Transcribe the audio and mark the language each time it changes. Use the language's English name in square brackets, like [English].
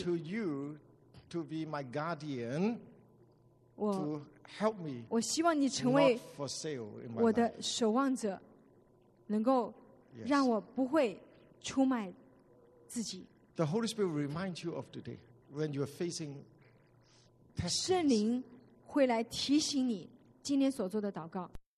[English] to you to be my guardian to help me [Chinese] 我希望你成为我的守望者能够让我不会出卖自己 [English] The Holy Spirit will remind you of today when you are facing [Chinese] 圣灵会来提醒你今天所做的祷告。